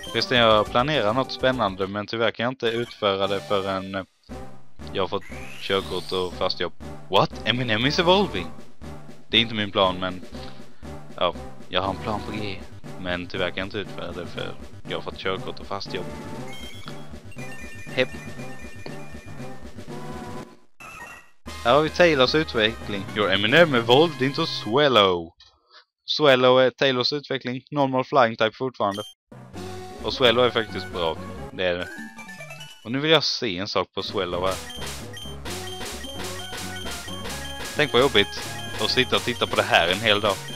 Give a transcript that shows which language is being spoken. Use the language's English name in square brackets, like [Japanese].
[Swedish] Jag planerar något spännande, men tyvärr kan jag inte utföra det förrän jag har fått körkort och fast jobb. [English] What? Eminem is evolving? [Swedish] Det är inte min plan, men ja, jag har en plan på G. Men tyvärr kan jag inte utföra det för jag har fått körkort och fast jobb. Hepp. Här har vi Taylors utveckling. [English] Your Eminem evolved into Swallow. [Swedish] Swallow är Taylors utveckling. Normal flying type fortfarande. Och Swallow är faktiskt bra. Det är det. Och nu vill jag se en sak på Swallow här. Tänk vad jobbigt att sitta och titta på det här en hel dag.